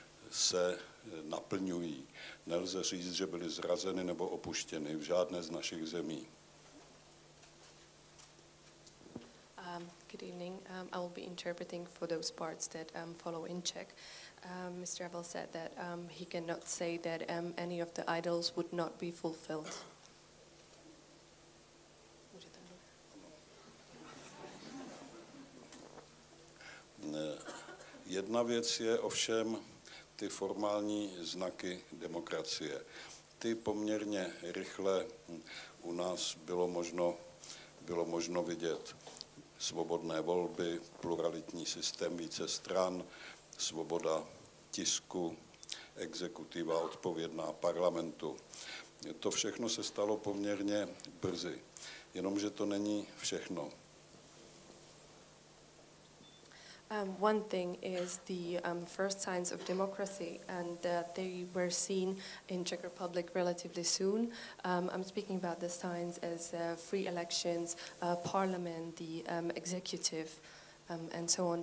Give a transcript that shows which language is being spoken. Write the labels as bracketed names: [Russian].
[Czech] se naplňují. Nelze říct, že byly zrazeny nebo opuštěny v žádné z našich zemí. [English] Good evening. I will be interpreting for those parts that follow in Czech. Mr. Havel said that he cannot say that any of the idols would not be fulfilled. [Czech] Jedna věc je ovšem ty formální znaky demokracie. Ty poměrně rychle u nás bylo možno vidět svobodné volby, pluralitní systém více stran, svoboda tisku, exekutiva odpovědná parlamentu. To všechno se stalo poměrně brzy, jenomže to není všechno. [English] One thing is the first signs of democracy, and they were seen in Czech Republic relatively soon. I'm speaking about the signs as free elections, parliament, the executive, and so on.